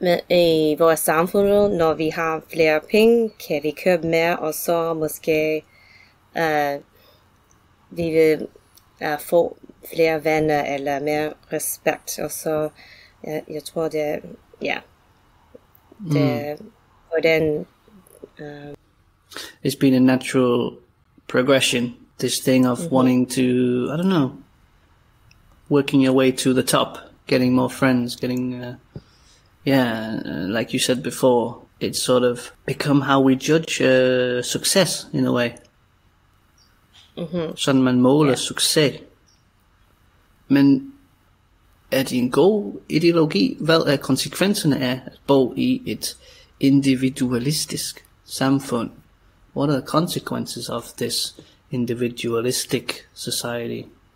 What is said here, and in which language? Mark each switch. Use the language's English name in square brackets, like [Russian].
[Danish] i vores samfund, når vi har flere penge, kan vi købe mere, og så måske vi vil få flere venner eller mere respekt, og så jeg tror det, ja, hvordan [English] it's been a natural progression, this thing of wanting to, I don't know, working your way to the top, getting more friends, getting, like you said before, it's sort of become how we judge success, in a way. [Danish] Sådan man måler succes. Men er det en god ideologi? Hvad er konsekvenserne af at bo i et individualistisk samfund? [English] What are the consequences of this individualistic society?